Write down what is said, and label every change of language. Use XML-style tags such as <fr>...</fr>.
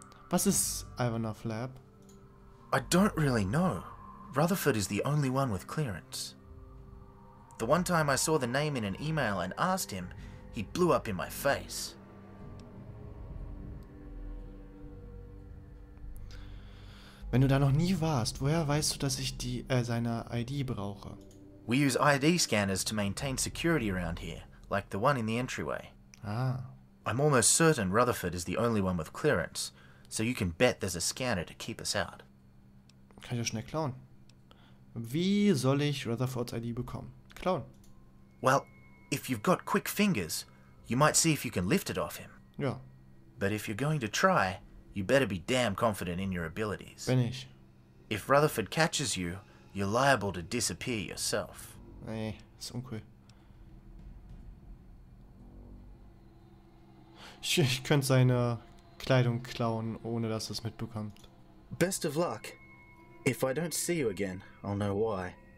<de>Was ist Ivanov Lab?</de> <en>I don't really know. Rutherford is the only one with clearance. The one time I saw the name in an email and asked him, he blew up in my face.</en> <de>Wenn du da noch nie warst, woher weißt du, dass ich die seine ID brauche?</de> <en>We use ID scanners to maintain security around here, like the one in the entryway. Ah. I'm almost certain Rutherford is the only one with clearance, so you can bet there's a scanner to keep us out.</en> <de>Kann ich ja schnell klauen. Wie soll ich Rutherfords ID bekommen? Klauen.</de> <en>Well, if you've got quick fingers, you might see if you can lift it off him.</en> <de>Ja.</de> <en>But if you're going to try, you better be damn confident in your abilities.</en> <de>Bin ich.</de> <en>If Rutherford catches you, you're liable to disappear yourself.</en> <de>Nee, ist uncool. Ich könnte seine Kleidung klauen, ohne dass es mitbekommt.</de> <en>Best of luck. If I don't see you again, I'll know why.</en>